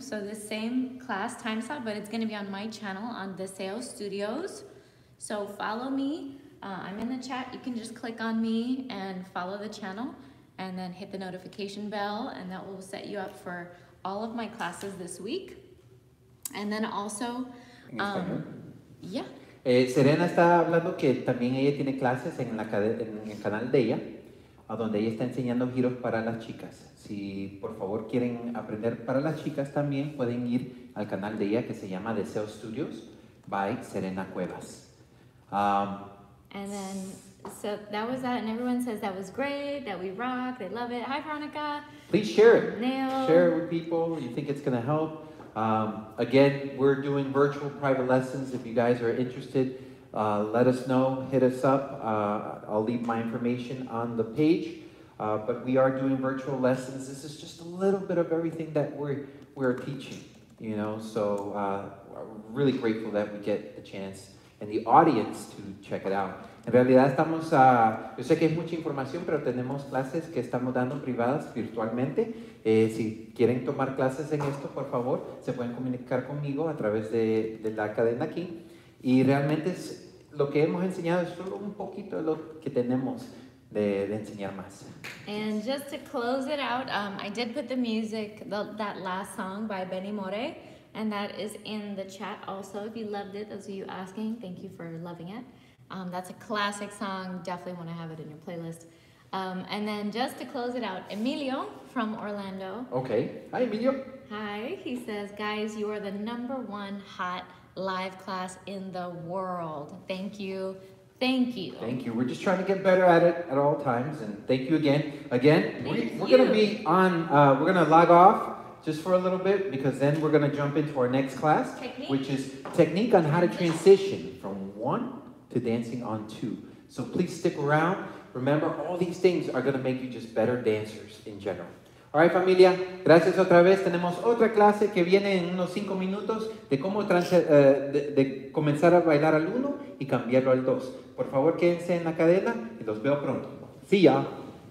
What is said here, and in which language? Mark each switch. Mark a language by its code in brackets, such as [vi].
[en] So the same class time slot, but it's gonna be on my channel on Deseo Studios. So follow me, I'm in the chat. You can just click on me and follow the channel. and then hit the notification bell, and that will set you up for all of my classes this week. And then also, [es] Serena está hablando que también ella tiene clases en, la, en el canal de ella, a donde ella está enseñando giros para las chicas. Si por favor quieren aprender para las chicas, también pueden ir al canal de ella que se llama Deseo Studios by Serena Cuevas. [en] And then, so that was that, and everyone says that was great, that we rock, they love it. Hi, Veronica. Please share it. Nail. Share it with people. You think it's going to help. Again, we're doing virtual private lessons. If you guys are interested, let us know, hit us up. I'll leave my information on the page. But we are doing virtual lessons. This is just a little bit of everything that we're teaching, you know. So we're really grateful that we get the chance and the audience to check it out. [es] En realidad estamos, yo sé que es mucha información, pero tenemos clases que estamos dando privadas virtualmente. Si quieren tomar clases en esto, por favor, se pueden comunicar conmigo a través de la cadena aquí. Y realmente es, lo que hemos enseñado es solo un poquito de lo que tenemos de enseñar más. [en] And just to close it out, I did put the music, that last song by Benny More, and that is in the chat also. If you loved it, those of you asking, thank you for loving it. That's a classic song. Definitely want to have it in your playlist. And then just to close it out, Emilio from Orlando. Okay. Hi, Emilio. Hi. He says, guys, you are the number one hot live class in the world. Thank you. Thank you. Thank you. We're just trying to get better at it at all times. And thank you again. Again, we're going to be on, we're going to log off just for a little bit, because then we're going to jump into our next class, technique, which is technique on how to transition from one to dancing on two. So please stick around. Remember, all these things are going to make you just better dancers in general. All right, [es] familia. Gracias otra vez. Tenemos otra clase que viene en unos 5 minutos de cómo de comenzar a bailar al uno y cambiarlo al dos. Por favor, quédense en la cadena y los veo pronto. [en] See ya.